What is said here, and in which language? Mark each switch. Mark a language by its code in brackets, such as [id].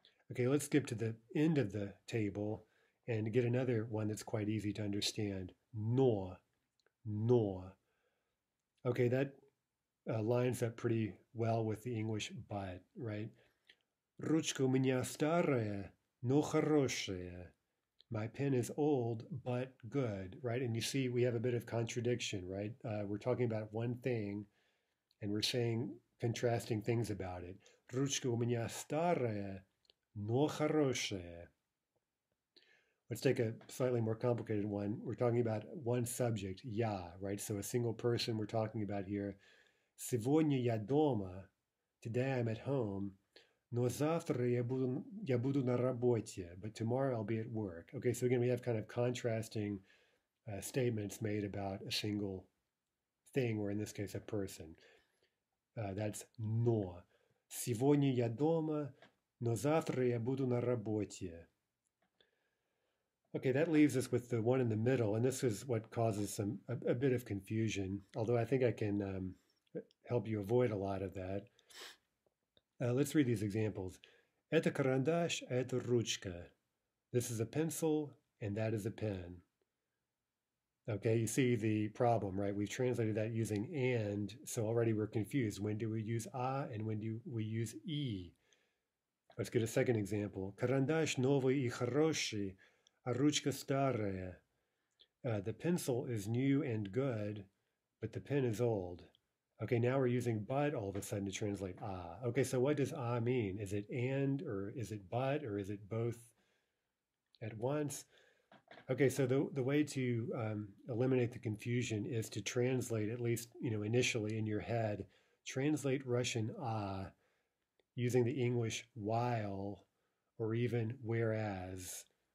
[en] Okay, let's skip to the end of the table and get another one that's quite easy to understand. [ru] Но. [en] Okay, that lines up pretty well with the English but, right? [ru] Ручка у меня старая, но хорошая. [en] My pen is old, but good, right? And you see, we have a bit of contradiction, right? We're talking about one thing, and we're saying contrasting things about it. [ru] Ручка у меня старая, но хорошая. [en] Let's take a slightly more complicated one. We're talking about one subject, я, right? So a single person we're talking about here. [ru] Сегодня я дома. [en] Today I'm at home. [ru] Но завтра я буду на работе, [en] but tomorrow I'll be at work. Okay, so again, we have kind of contrasting statements made about a single thing, or in this case, a person. That's но. [ru] Сегодня я дома, но завтра я буду на работе. [en] Okay, that leaves us with the one in the middle, and this is what causes a bit of confusion, although I think I can help you avoid a lot of that. Let's read these examples. [ru] Это карандаш, это ручка. [en] This is a pencil, and that is a pen. Okay, you see the problem, right? We've translated that using and, so already we're confused. When do we use a, and when do we use e? Let's get a second example. [ru] Карандаш новый и хороший, а ручка старая. [en] The pencil is new and good, but the pen is old. Okay, now we're using but all of a sudden to translate ah. Okay, so what does ah mean? Is it and, or is it but, or is it both at once? Okay, so the way to eliminate the confusion is to translate, at least, you know, initially in your head, translate Russian ah using the English while or even whereas.